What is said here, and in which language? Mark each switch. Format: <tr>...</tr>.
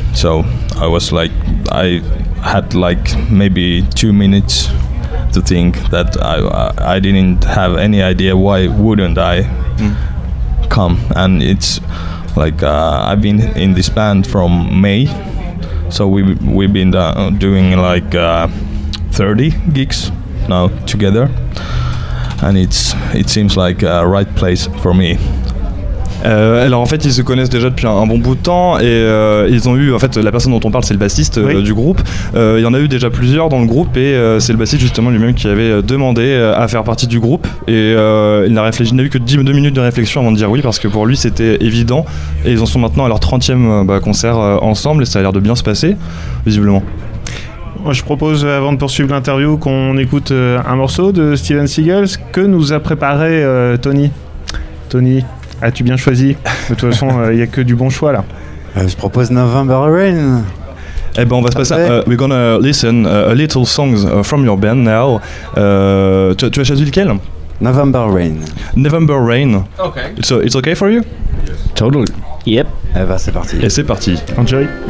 <en>So I was like, I had like maybe 2 minutes to think that I didn't have any idea why wouldn't I come. And it's like I've been in this band from May, so we've been doing like 30 gigs now together, and it seems like a right place for me.</en> <fr>Alors en fait ils se connaissent déjà depuis un bon bout de temps et ils ont eu, en fait la personne dont on parle c'est le bassiste oui. Du groupe, il y en a eu déjà plusieurs dans le groupe et c'est le bassiste justement lui-même qui avait demandé à faire partie du groupe et il n'a eu que 10-2 minutes de réflexion avant de dire oui parce que pour lui c'était évident et ils en sont maintenant à leur 30e concert ensemble et ça a l'air de bien se passer visiblement. Moi, je propose, avant de poursuivre l'interview, qu'on écoute un morceau de Steven Seagal. Ce que nous a préparé Tony, as-tu bien choisi? De toute façon, il n'y a que du bon choix, là. Je propose November Rain. Eh ben, on va se passer...</fr> <en>we're gonna listen a little songs from your band now.</en> <fr>Tu as choisi lequel? November Rain. November Rain.</fr> <en>Okay. It's okay for you? Yes. Totally. Yep.</en> <fr>Eh ben, c'est parti. Et c'est parti.</fr> <en>Enjoy.</en>